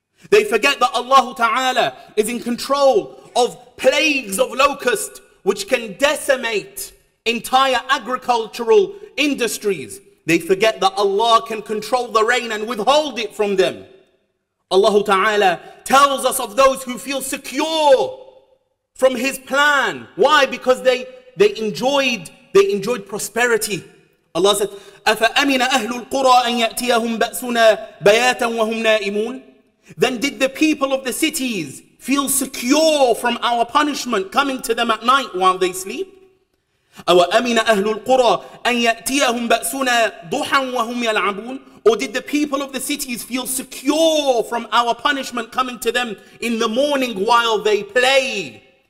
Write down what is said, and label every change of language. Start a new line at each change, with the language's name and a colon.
English: They forget that Allah ta'ala is in control of plagues of locust, which can decimate entire agricultural industries. They forget that Allah can control the rain and withhold it from them. Allah ta'ala tells us of those who feel secure from His plan. Why? Because they enjoyed prosperity. Allah said,
Arabic: أَفَأَمِنَ أَهْلُ الْقُرَىٰ أَنْ يَأْتِيَهُمْ بَأْسُنَا بَيَاتًا وَهُمْ نَائِمُونَ.
English: Then did the people of the cities feel secure from our punishment coming to them at night while they sleep?
Arabic: أَوَأَمِنَ أَهْلُ الْقُرَىٰ أَنْ يَأْتِيَهُمْ بَأْسُنَا ضُحًا وَهُمْ يَلْعَبُونَ.
English: Or did the people of the cities feel secure from our punishment coming to them in the morning while they play?